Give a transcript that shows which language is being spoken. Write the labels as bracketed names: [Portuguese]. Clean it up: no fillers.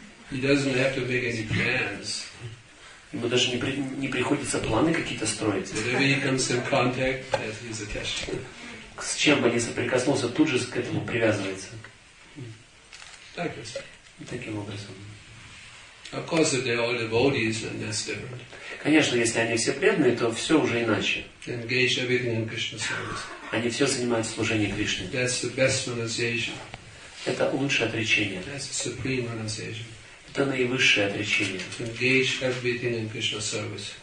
[English] He doesn't have to make any plans. [Russian] Ему даже не приходится планы какие-то строить. С чем бы ни соприкоснулся, тут же к этому привязывается. Таким образом. [English] Of course, if they're all devotees, then that's different. [Russian] Конечно, если они все преданные, то все уже иначе. [English] Engage everything in Krishna service. [Russian] Они все занимаются служением Кришне. [English] That's the best renunciation. [Russian] Это лучшее отречение. [English] That's the supreme renunciation. [Russian] Это наивысшее отречение. [English] Engage everything in Krishna service.